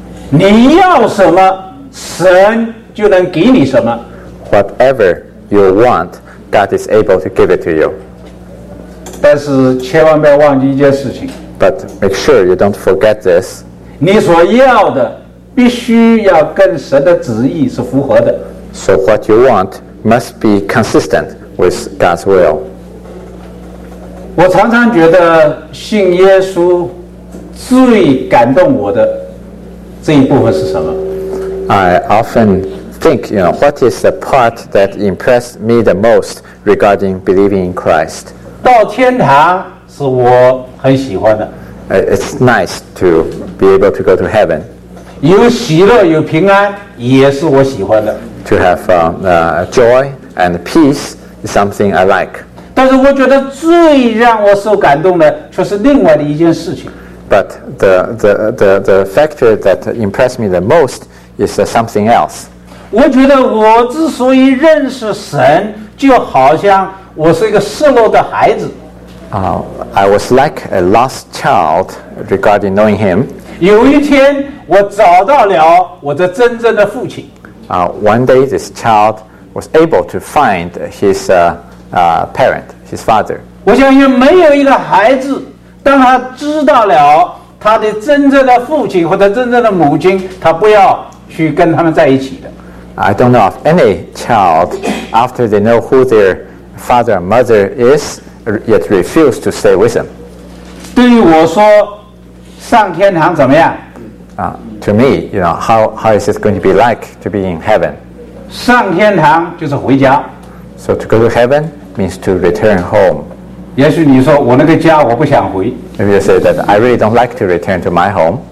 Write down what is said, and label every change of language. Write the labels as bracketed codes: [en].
[zh] 你要什么，神就能给你什么。 [en] Whatever you want, God is able to give it to you. [zh] 但是千万不要忘记一件事情。 [en] But make sure you don't forget this. [zh] 你所要的必须要跟神的旨意是符合的。 [en] So what you want must be consistent with God's will. [zh] 我常常觉得信耶稣最感动我的这一部分是什么？ [en] I often think, you know, what is the part that impressed me the most regarding believing in Christ? [zh] 到天堂是我很喜欢的。 [en] It's nice to be able to go to heaven. [zh] 有喜乐有平安也是我喜欢的。 [en] To have joy and peace is something I like. [zh] 但是我觉得最让我受感动的却是另外的一件事情。 [en] But the factor that impressed me the most is something else. [zh] 我觉得我之所以认识神，就好像我是一个失落的孩子。 [en] I was like a lost child regarding knowing him. [zh] 有一天我找到了我的真正的父亲。 [en] One day this child was able to find his parent, his father. [zh] 我相信没有一个孩子，当他知道了他的真正的父亲或者真正的母亲，他不要去跟他们在一起的。 [en] I don't know of any child after they know who their father or mother is, yet refuse to stay with them. [zh] 对于我说，上天堂怎么样？ [en] To me, you know, how is it going to be like to be in heaven? [zh] 上天堂就是回家。 [en] So to go to heaven means to return home. [zh] 也许你说我那个家我不想回。 [en] Maybe you say that I really don't like to return to my home.